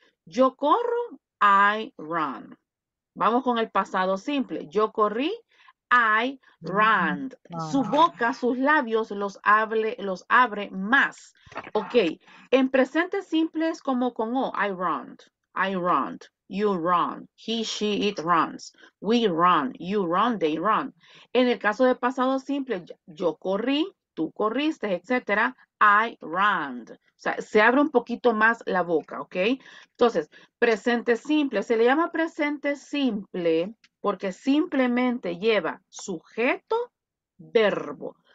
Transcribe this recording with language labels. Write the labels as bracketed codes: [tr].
[es] Yo corro, I run. Vamos con el pasado simple. Yo corrí, I ran. Su boca, sus labios los abre más. Ok, en presente simple es como con O. [en] I run. You run, he, she, it runs, we run, you run, they run. [es] En el caso de pasado simple, yo corrí, tú corriste, etcétera, I ran. O sea, se abre un poquito más la boca, ¿ok? Entonces, presente simple, se le llama presente simple porque simplemente lleva sujeto, verbo.